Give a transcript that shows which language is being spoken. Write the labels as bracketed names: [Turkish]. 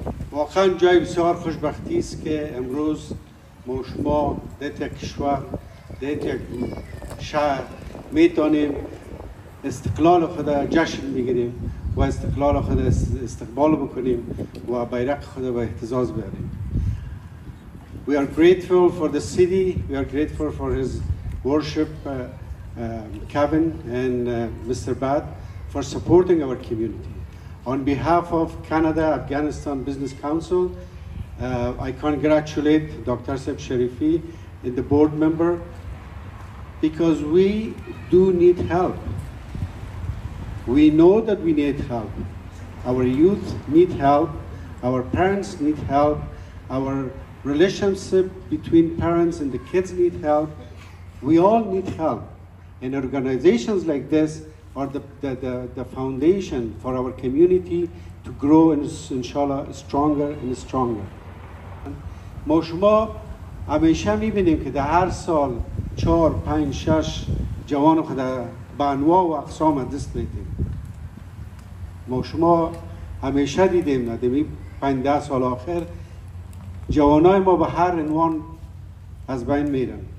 [Persian] واقعا جای بسیار خوشبختی است که امروز ما شما در یک کشور در یک شهر میتونیم استقلال خود جشن بگیریم و استقلال خود استقبال بکنیم و بیرغ خود و اهتزاز بیاریم. [English] We are grateful for the city, we are grateful for his worship, Kevin and Mr. Bad for supporting our community. On behalf of Canada Afghanistan Business Council, I congratulate Dr. Seb Sharifi and the board member because we do need help. We know that we need help. Our youth need help. Our parents need help. Our relationship between parents and the kids need help. We all need help. And organizations like this are the foundation for our community to grow, and inshallah, stronger and stronger. [Persian] ما شما همیشه میبینیم که در هر سال چهار، پنج، شش جوان خود به انواع و اقسام دست میدیم. ما شما همیشه دیدیم ندیم این 15 سال آخر جوانای ما به هر عنوان از بین میرن.